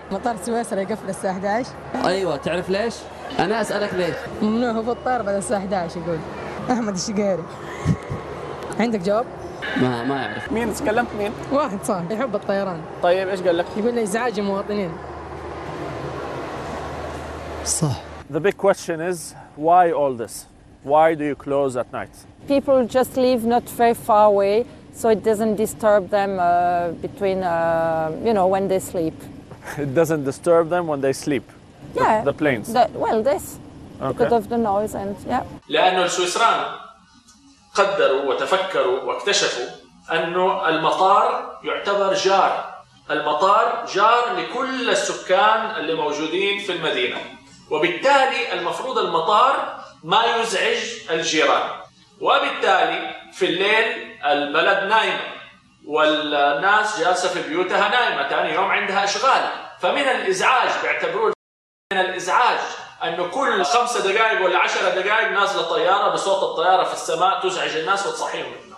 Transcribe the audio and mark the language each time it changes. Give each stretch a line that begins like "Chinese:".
Arabic: مطار سويسرا يقفل الساعه 11. ايوه تعرف ليش؟ انا اسالك ليش؟ ممنوع هبوط الطائره بعد الساعه 11 يقول. أحمد الشقيري عندك جواب؟ ما أعرف مين تكلمت. مين؟ واحد صار يحب الطيران. طيب إيش قال لك؟ يقول لي إزعاج المواطنين. صح.
English: The big question is why all this? Why do you close at night? People just live not very far away, so it doesn't disturb them between you know when they sleep. It doesn't disturb them when they sleep. Yeah. The planes. Well, this. Because of the noise and yeah.
Arabic: لأنه السويسران قدروا وتفكروا واكتشفوا أنه المطار يعتبر جار. المطار جار لكل السكان اللي موجودين في المدينة، وبالتالي المفروض المطار ما يزعج الجيران، وبالتالي في الليل البلد نايمة والناس جالسة في بيوتها نايمة، تاني يوم عندها أشغال، فمن الإزعاج بيعتبروه من الإزعاج أنه كل 5 دقائق ولا 10 دقائق نازل الطيارة بصوت الطيارة في السماء تزعج الناس وتصحيهم.